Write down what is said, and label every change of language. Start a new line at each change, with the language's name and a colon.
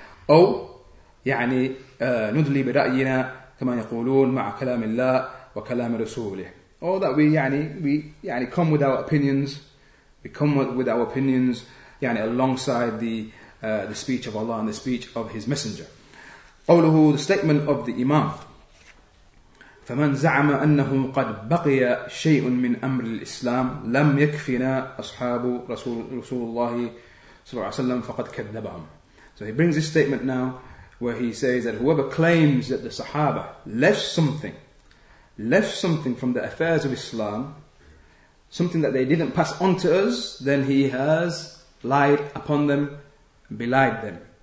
Arabic: أو يعني ندلي برأينا كما يقولون مع كلام الله وكلام رسوله,
English: or that we come with our opinions, we come with our opinions يعني alongside the speech of Allah and the speech of His Messenger.
Arabic: قوله,
English: the statement of the Imam,
Arabic: فمن زعم أنه قد بقي شيء من أمر الإسلام لم يكفنا أصحاب رسول الله صلى الله عليه وسلم فقد كذبهم.
English: So he brings this statement now where he says that whoever claims that the Sahaba left something from the affairs of Islam, something that they didn't pass on to us, then he has lied upon them, belied them.